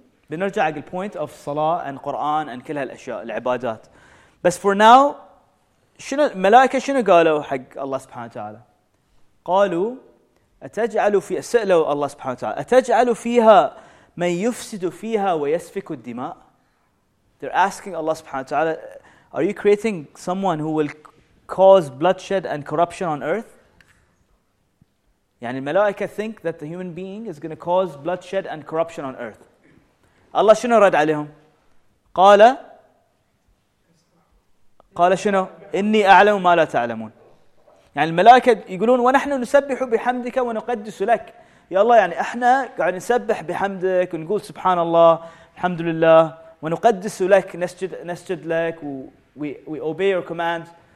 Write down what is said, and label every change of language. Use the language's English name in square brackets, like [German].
[Arabic] بنرجع حق الpoint of صلاة and قرآن and كل هالأشياء العبادات. بس for now, شنو الملائكة شنو قالوا حق الله سبحانه وتعالى؟ قالوا أتجعلوا في سألوا الله سبحانه وتعالى أتجعلوا فيها من يفسد فيها ويسفك الدماء. [English] They're asking Allah سبحانه وتعالى, are you creating someone who will cause bloodshed and corruption on earth? [Arabic] يعني الملائكة [English] think that the human being is going to cause bloodshed and corruption on earth. [Arabic] الله شنو رد عليهم؟ قال شنو؟ إني أعلم ما لا تعلمون. يعني الملائكة يقولون ونحن نسبح بحمدك ونقدس لك. يا الله يعني إحنا قاعد نسبح بحمدك ونقول سبحان الله الحمد لله ونقدس لك نسجد لك و [English] we obey your commands.